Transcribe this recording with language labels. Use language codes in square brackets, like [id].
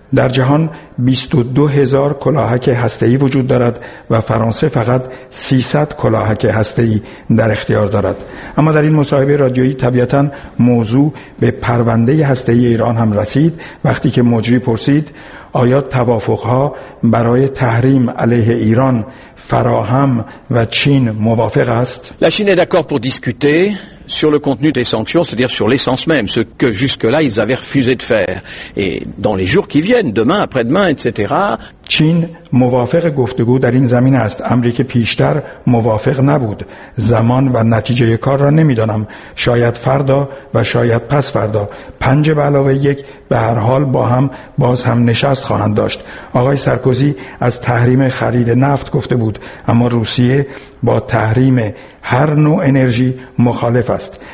[fa] در جهان 22,000 کلاهک هسته‌ای وجود دارد و فرانسه فقط 300 کلاهک هسته‌ای در اختیار دارد. اما در این مصاحبه رادیویی طبیعتاً موضوع به پرونده هسته‌ای ایران هم رسید، وقتی که مجری پرسید آیا توافق‌ها برای تحریم علیه ایران فراهم و چین موافق است؟ [fr] La Chine est d'accord pour discuter sur le contenu des sanctions, c'est-à-dire sur l'essence même, ce que jusque-là ils avaient refusé de faire. Et dans les jours qui viennent, demain, après-demain, etc. [fa] چین موافق گفتگو در این زمینه است. امریکا پیشتر موافق نبود. زمان و نتیجه کار را نمی‌دانم. شاید فردا و شاید پس فردا. پنج به علاوه یک به هر حال با هم باز هم نشست خواهند داشت. آقای سرکوزی از تحریم خرید نفت گفته بود، اما روسیه با تحریم هر نوع انرژی مخالف است.